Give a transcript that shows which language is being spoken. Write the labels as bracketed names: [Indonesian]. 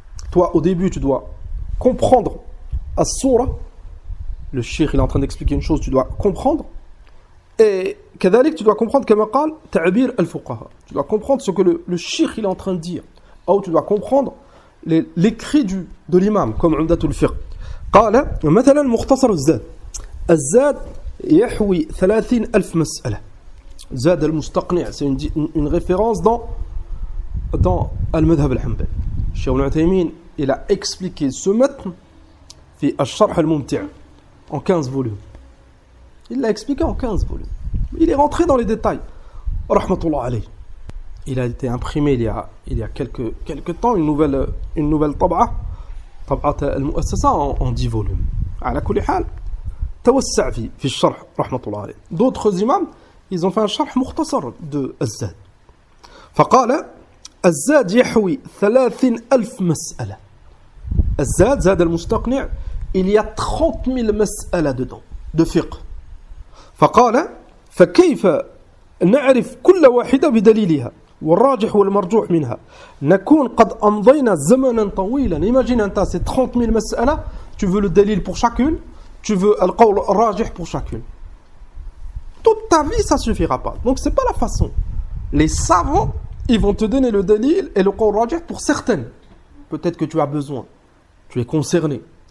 [French] Toi au début tu dois comprendre la sourate. Le cheikh il est en train d'expliquer une chose, tu dois comprendre. Et كذلك tu dois comprendre comme قال تعبير الفقهاء. Tu dois comprendre ce que le cheikh il est en train de dire. Ou tu dois comprendre l'écrit de l'imam comme عمدة الفقه. [Arabic] قال مثلا مختصر الزاد. الزاد يحوي 30,000 مسألة. [French] زاد المستقنع, c'est une référence dans المذهب الحنبل. Cheikh Ibn Uthaymeen, il a expliqué ce matin في الشرح الممتع en 15 volumes. Il l'a expliqué en 15 volumes. Il est rentré dans les détails. Rahmatullah alayh. Il a été imprimé il y a quelques temps, une nouvelle tab'a. Tab'a al-mu'assasa en 10 volumes. [Arabic] À la kulli hal, توسع في الشرح رحمة الله عليه. [French] D'autres imams, ils ont fait un charh مختصر de الزاد. [Arabic] فقال الزاد يحوي 30,000 مسألة. [French] الزاد, زاد المستقنع, il y a 30,000 مسألة dedans, de fiqh. [Arabic] فقال فكيف نعرف كل واحدة بدليلها والراجح والمرجوح منها نكون قد أمضينا زمنا طويلا. [French] Imagine, أنت, c'est 30,000 مسألة, tu veux le dalil pour chacune. Tu veux al-qawl rajih pour chacune. Toute ta vie, ça ne suffira pas. Donc, ce n'est pas la façon. Les savants, ils vont te donner le dalil et le qawl rajih pour certaines. Peut-être que tu as besoin, tu es concerné.